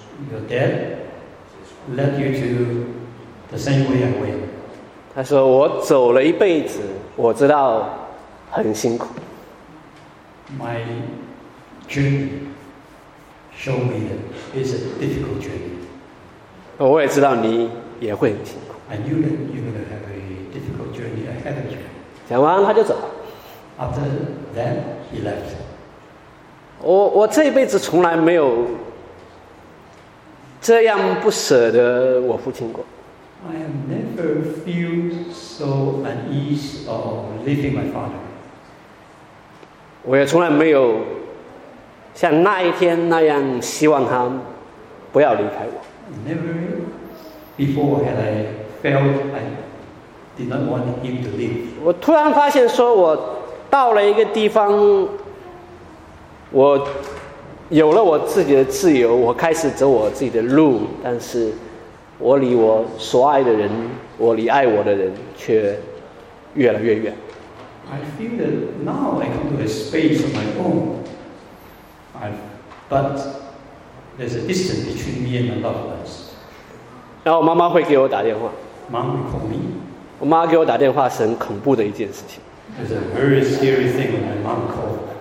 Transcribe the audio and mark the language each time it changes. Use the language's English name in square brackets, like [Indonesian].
[English] Your dad led you to the same way I went. [Chinese] 他说我走了一辈子，我知道很辛苦。 [English] My journey showed me that it's a difficult journey. [Chinese] 我也知道你也会很辛苦。 [English] I knew that you're going to have a difficult journey ahead of you. [Chinese] 讲完他就走了。 [English] After that, he left. [Chinese] 我这一辈子从来没有这样不舍得我父亲过。 [English] I have never felt so uneasy of leaving my father. [Chinese] 我也从来没有像那一天那样希望他不要离开我。 [English] Never before had I felt I did not want him to leave. [Chinese] 我突然发现说我到了一个地方，我有了我自己的自由，我开始走我自己的路，但是我离我所爱的人，我离爱我的人却越来越远。 [English] I feel that now I come to a space of my own. But there's a distance between me and my loved ones. [Chinese] 然后妈妈会给我打电话。 [English] Mom called me. [Chinese] 我妈给我打电话是很恐怖的一件事情。 [English] It's a very scary thing when my mom called.